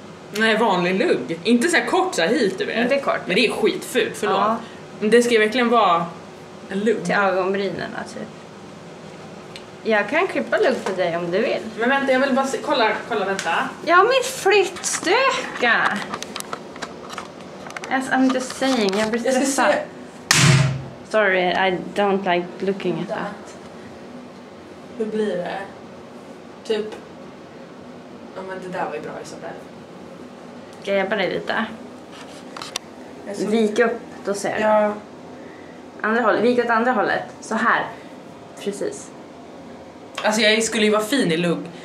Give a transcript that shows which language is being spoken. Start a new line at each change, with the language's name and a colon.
Swedish: Nej, vanlig lugg. Inte så här kort så här hit du vet. Inte kort. Men det är skitfult, förlåt. Ja. Men det ska ju verkligen vara en lugg. Till ögonbrynen typ. Jag kan klippa lugg för dig om du vill. Men vänta, jag vill bara se, kolla vänta. Ja, min flyttstöka!
English: Yes, I'm just saying,
Swedish: jag blir stressad.
English: Sorry, I don't like looking at that.
Swedish: Hur blir det? Typ... Ja, men det där var ju bra, Isabel. Ska jag hjälpa dig lite? Vik upp, då ser jag. Andra hållet, vik åt andra hållet. Så här. Precis. Alltså jag skulle ju vara fin i lugg.